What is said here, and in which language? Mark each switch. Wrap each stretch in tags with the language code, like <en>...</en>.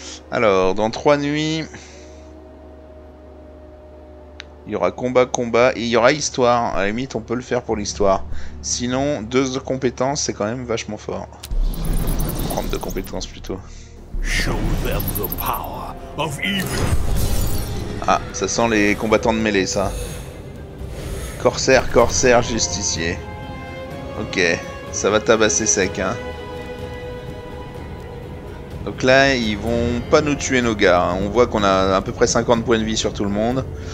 <fr>Alors, dans 3 nuits, il y aura combat, et il y aura histoire. À la limite, on peut le faire pour l'histoire. Sinon, 2 compétences, c'est quand même vachement fort. Prendre 2 compétences plutôt.</fr> <en>Show them the power of evil.</en> <fr>Ah, ça sent les combattants de mêlée, ça. Corsaire, justicier. Ok, ça va tabasser sec, hein. Donc là, ils vont pas nous tuer nos gars. On voit qu'on a à peu près 50 points de vie sur tout le monde.</fr>